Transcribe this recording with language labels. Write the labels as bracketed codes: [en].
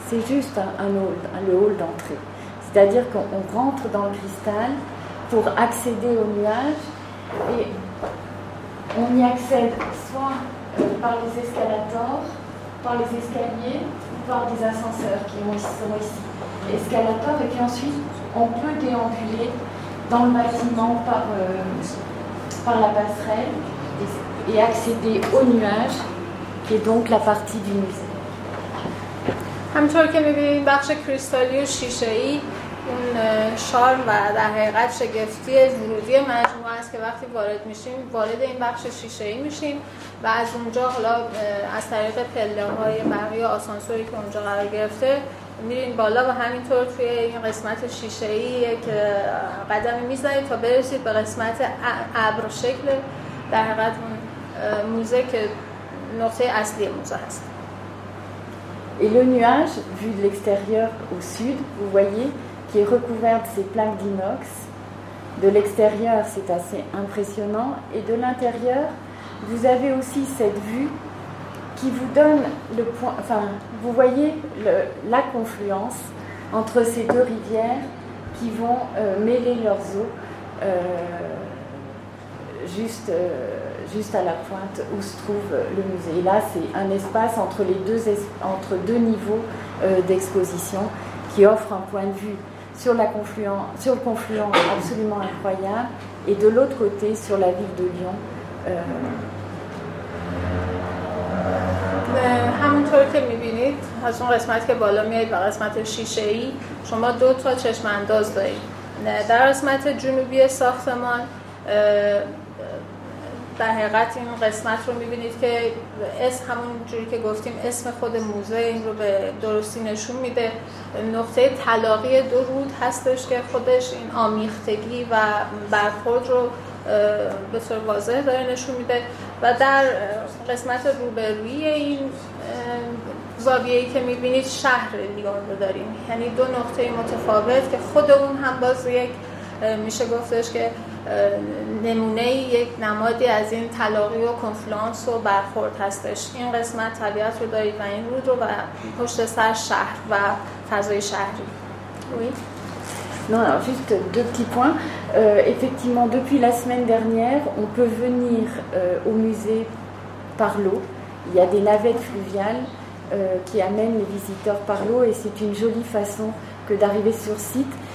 [fr] C'est juste un hall d'entrée. C'est-à-dire qu'on rentre dans le cristal pour accéder au nuage et on y accède soit par les escalators, par les escaliers ou par des ascenseurs qui sont ici, escalators, et puis ensuite on peut déambuler dans le bâtiment par la passerelle et accéder au nuage qui est donc la partie du musée. Comme vous le voyez, la partie cristallique et chichéique, [fa] اون شارم و در حقیقت شگفتی ورودی مجموعه است که وقتی وارد میشیم، وارد این بخش شیشه‌ای میشیم و از اونجا حالا از طریق پله‌های بقیه آسانسوری که اونجا قرار گرفته میریم بالا و همینطور توی این قسمت شیشه‌ای یک قدمی میزنید تا برسید به قسمت ابر شکل در حقیقت اون موزه که نقطه اصلی موزه هست. [fr] Et le nuage vu de l'extérieur au sud, vous voyez qui est recouverte ces plaques d'inox. De l'extérieur, c'est assez impressionnant. Et de l'intérieur, vous avez aussi cette vue qui vous donne le point... Enfin, vous voyez la confluence entre ces deux rivières qui vont mêler leurs eaux juste à la pointe où se trouve le musée. Et là, c'est un espace entre les deux, entre deux niveaux d'exposition qui offre un point de vue sur le confluent absolument incroyable, et de l'autre côté sur la ville de Lyon. [fa] همونطور که میبینید از اون قسمت که بالا میاد و قسمت شیشه‌ای، شما دو تا چشم انداز دارید. در قسمت جنوبی ساختمان در حقیقت این قسمت رو میبینید که اسم، همون جوری که گفتیم اسم خود موزه این رو به درستی نشون میده، نقطه تلاقی دو رود هستش که خودش این آمیختگی و برخورد رو به طور واضح داره نشون میده، و در قسمت روبروی این زاویه‌ای که میبینید شهر لیون رو داریم، یعنی دو نقطه متفاوت که خود اون هم باز یک میشه گفتش که نمونه یک نمادی از این تلاقی و کنفلانس و برخورد هستش. این قسمت طبیعت رو دارید و این رود رو و پشت سر شهر و فضای شهری. [fr] Oui. Non, alors juste deux petits points. Effectivement, depuis la semaine dernière, on peut venir au musée par l'eau. Il y a des navettes fluviales qui amènent les visiteurs par l'eau, et c'est une jolie façon que d'arriver sur site.